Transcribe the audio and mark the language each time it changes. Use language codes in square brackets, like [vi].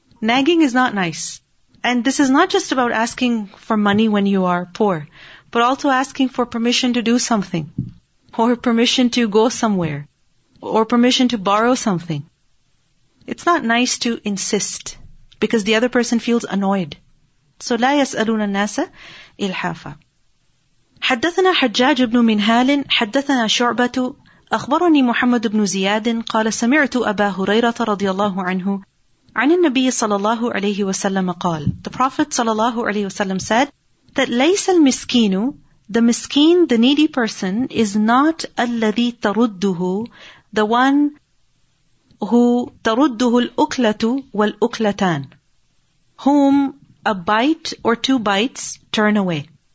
[en] Nagging is not nice. And this is not just about asking for money when you are poor, but also asking for permission to do something, or permission to go somewhere, or permission to borrow something. It's not nice to insist, because the other person feels annoyed. So, [ar] لا يسألون الناس إلحافا. حدثنا حجاج بن منهال حدثنا شعبة أخبرني محمد بن زياد قال سمعت أبا هريرة رضي الله عنه عن النبي صلى الله عليه وسلم قال. [en] The Prophet صلى الله عليه وسلم said that [ar] لَيْسَ الْمِسْكِينُ, [en] the miskin, the needy person, is not [ar] الَّذِي تَرُدُّهُ, [en] the one who [ar] تَرُدُّهُ الْأُكْلَةُ وَالْأُكْلَتَانِ, [en] whom a bite or two bites turn away.